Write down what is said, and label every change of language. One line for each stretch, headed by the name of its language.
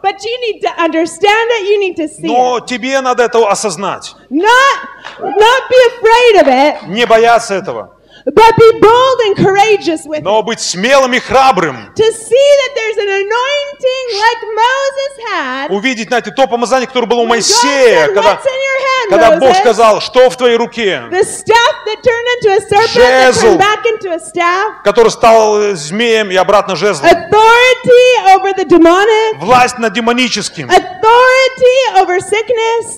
English: But you need to understand it, you need to see.
Russian: Но тебе надо это осознать.
English: Not be afraid of it.
Russian: Не бояться этого.
English: But be bold and courageous with
Russian: Но быть смелым и храбрым.
English: To see that there's an anointing like Moses had.
Russian: Увидеть, знаете, то помазание, которое было у Моисея, когда Бог сказал, что в твоей руке?
English: The staff that turned into a serpent
Russian: жезл,
English: and turned back into a staff.
Russian: Который стал змеем и обратно жезлом.
English: Authority over the demonic.
Russian: Власть над демоническим.
English: Authority over sickness.